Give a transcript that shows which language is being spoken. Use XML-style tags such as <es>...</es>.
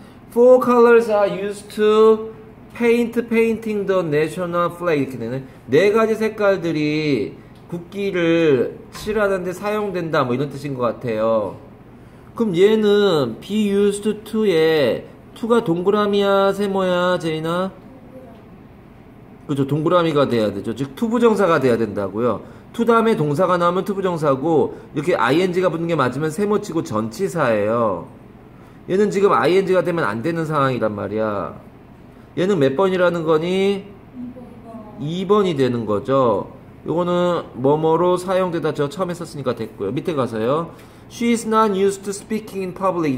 <en>Four colors I used to paint painting the national flag.</en> <ko>이렇게 되네. 네 가지 색깔들이 국기를 칠하는데 사용된다. 뭐 이런 뜻인 것 같아요. 그럼 얘는 be used to에 to가 동그라미야, 세모야, 제이나? 그죠, 동그라미가 돼야 되죠. 즉, 투부정사가 돼야 된다고요. 투 다음에 동사가 나오면 투부정사고, 이렇게 ing가 붙는 게 맞으면 세모치고 전치사예요. 얘는 지금 ing가 되면 안 되는 상황이란 말이야. 얘는 몇 번이라는 거니? 2번이 되는 거죠. 요거는 뭐뭐로 사용되다. 저 처음에 썼으니까 됐고요. 밑에 가서요.</ko> <en>She is not used to speaking in public.</en>